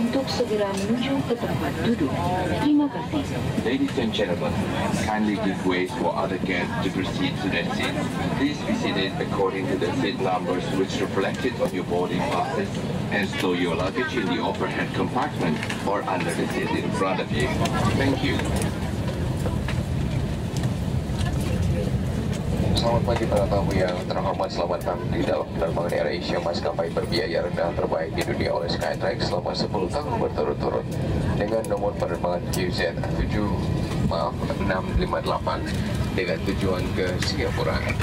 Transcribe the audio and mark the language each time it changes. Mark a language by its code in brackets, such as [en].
[id] segera menuju ke tempat duduk. Terima kasih. [en] Ladies and gentlemen, kindly give way for other guests to proceed to their seat. Please be seated according to the seat numbers which reflected on your boarding passes, and store your luggage in the overhead compartment or under the seat in front of you. Thank you. [id] Selamat pagi para tamu yang terhormat, selamat datang di dalam penerbangan AirAsia maskapai berbiaya rendah terbaik di dunia oleh Skytrax selama 10 tahun berturut-turut dengan nomor penerbangan QZ658 dengan tujuan ke Singapura.